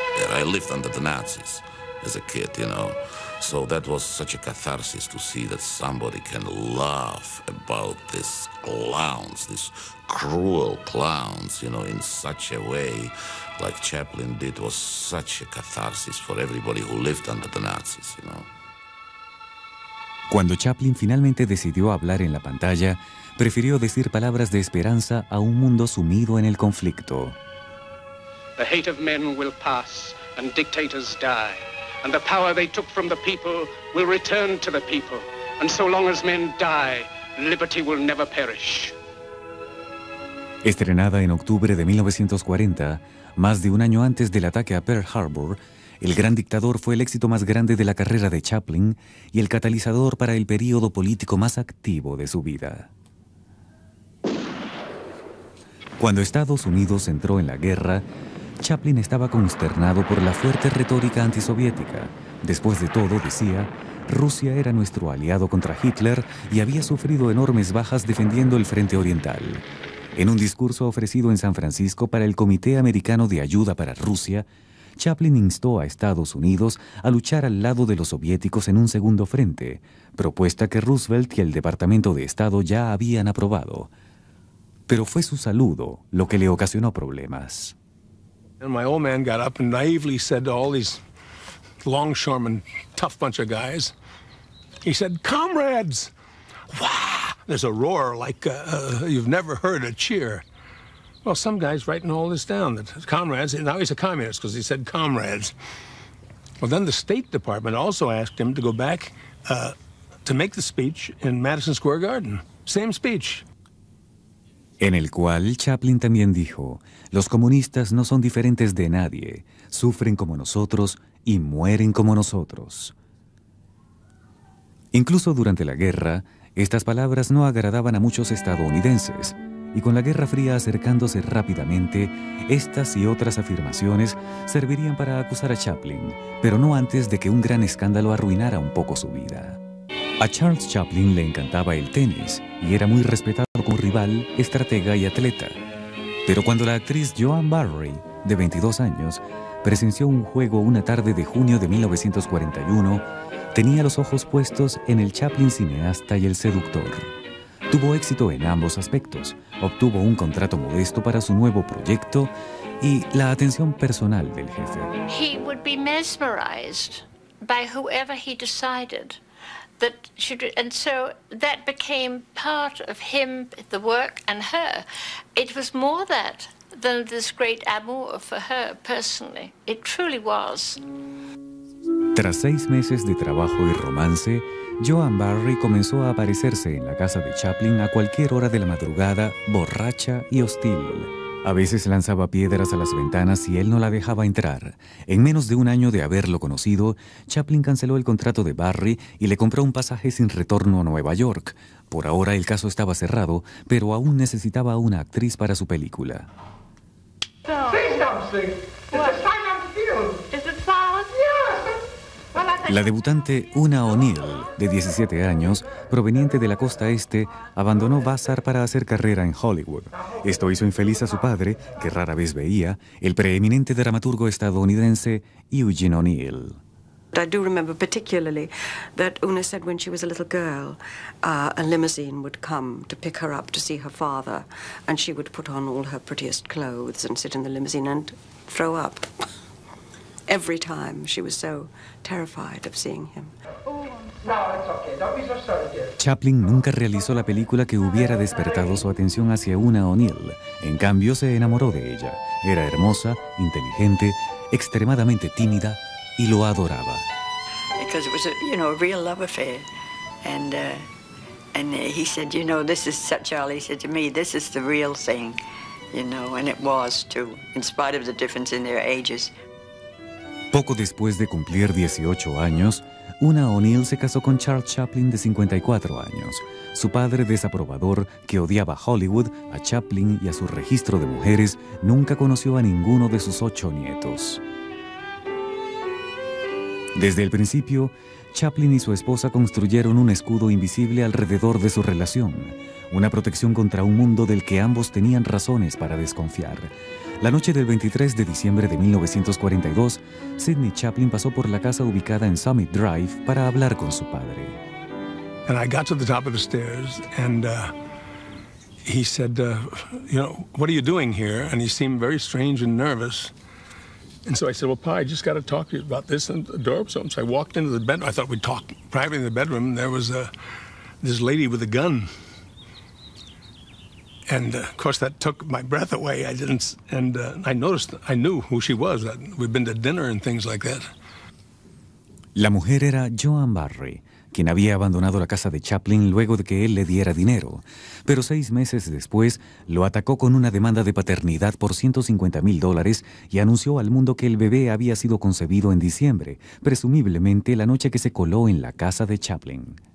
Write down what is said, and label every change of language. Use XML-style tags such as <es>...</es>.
<en>I lived under the Nazis as a kid, you know. So that was such a catharsis to see that somebody can laugh about these clowns, these cruel clowns, you know, in such a way like Chaplin did. Was such a catharsis for everybody who lived under the Nazis, you know.</en> <es>Cuando Chaplin finalmente decidió hablar en la pantalla, prefirió decir palabras de esperanza a un mundo sumido en el conflicto.</es> <en>The hate of men will pass. And dictators die, and the power they took from the people will return to the people. And so long as men die, liberty will never perish.</en> <es>Estrenada en octubre de 1940, más de un año antes del ataque a Pearl Harbor, El Gran Dictador fue el éxito más grande de la carrera de Chaplin y el catalizador para el período político más activo de su vida. Cuando Estados Unidos entró en la guerra, Chaplin estaba consternado por la fuerte retórica antisoviética. Después de todo, decía, Rusia era nuestro aliado contra Hitler y había sufrido enormes bajas defendiendo el frente oriental. En un discurso ofrecido en San Francisco para el Comité Americano de Ayuda para Rusia, Chaplin instó a Estados Unidos a luchar al lado de los soviéticos en un segundo frente, propuesta que Roosevelt y el Departamento de Estado ya habían aprobado. Pero fue su saludo lo que le ocasionó problemas.</es> <en>And my old man got up and naively said to all these longshoremen, tough bunch of guys, he said, comrades, wah! There's a roar like you've never heard a cheer. Well, some guy's writing all this down, that comrades, and now he's a communist because he said comrades. Well, then the State Department also asked him to go back to make the speech in Madison Square Garden. Same speech.</en> <es>En el cual Chaplin también dijo, los comunistas no son diferentes de nadie, sufren como nosotros y mueren como nosotros. Incluso durante la guerra, estas palabras no agradaban a muchos estadounidenses, y con la Guerra Fría acercándose rápidamente, estas y otras afirmaciones servirían para acusar a Chaplin, pero no antes de que un gran escándalo arruinara un poco su vida. A Charles Chaplin le encantaba el tenis y era muy respetado como rival, estratega y atleta. Pero cuando la actriz Joan Barry, de 22 años, presenció un juego una tarde de junio de 1941, tenía los ojos puestos en el Chaplin cineasta y el seductor. Tuvo éxito en ambos aspectos, obtuvo un contrato modesto para su nuevo proyecto y la atención personal del jefe.</es> <en>He would be mesmerized by whoever he decided. That should, and so that became part of him, the work, and her. It was more that than this great amour for her personally. It truly was.</en> <es>Tras 6 meses de trabajo y romance, Joan Barry comenzó a aparecerse en la casa de Chaplin a cualquier hora de la madrugada, borracha y hostil. A veces lanzaba piedras a las ventanas y él no la dejaba entrar. En menos de un año de haberlo conocido, Chaplin canceló el contrato de Barry y le compró un pasaje sin retorno a Nueva York. Por ahora el caso estaba cerrado, pero aún necesitaba una actriz para su película.</es> <en>Please don't sing. It's a silent film. Is it silent? Yes. Well, I</en> <es>La debutante Una O'Neill, de 17 años, proveniente de la costa este, abandonó Vassar para hacer carrera en Hollywood. Esto hizo infeliz a su padre, que rara vez veía, el preeminente dramaturgo estadounidense Eugene O'Neill.</es> <en>I do remember particularly that Una said when she was a little girl, a limousine would come to pick her up to see her father, and she would put on all her prettiest clothes and sit in the limousine and throw up every time. She was so terrified of seeing him.</en> <es>Chaplin nunca realizó la película que hubiera despertado su atención hacia Una O'Neill. En cambio, se enamoró de ella. Era hermosa, inteligente, extremadamente tímida, y lo adoraba.</es> <en>Because it was a, you know, a real love affair, and he said, you know, this is such, Charlie said to me, this is the real thing, you know, and it was too, in spite of the difference in their ages.</en> <es>Poco después de cumplir 18 años, Una O'Neill se casó con Charles Chaplin, de 54 años. Su padre desaprobador, que odiaba Hollywood, a Chaplin y a su registro de mujeres, nunca conoció a ninguno de sus 8 nietos. Desde el principio, Chaplin y su esposa construyeron un escudo invisible alrededor de su relación, una protección contra un mundo del que ambos tenían razones para desconfiar. La noche del 23 de diciembre de 1942, Sidney Chaplin pasó por la casa ubicada en Summit Drive para hablar con su padre.</es> <en>And I got to the top of the stairs, and he said, you know, what are you doing here? And he seemed very strange and nervous. And so I said, well, Pa, I just got to talk to you about this and the door. So I walked into the bedroom. I thought we'd talk privately in the bedroom. And there was this lady with a gun. And, of course, that took my breath away. I didn't. And I noticed, I knew who she was. We'd been to dinner and things like that.</en> <es>La mujer era Joan Barry, quien había abandonado la casa de Chaplin luego de que él le diera dinero. Pero 6 meses después, lo atacó con una demanda de paternidad por $150,000 y anunció al mundo que el bebé había sido concebido en diciembre, presumiblemente la noche que se coló en la casa de Chaplin.</es>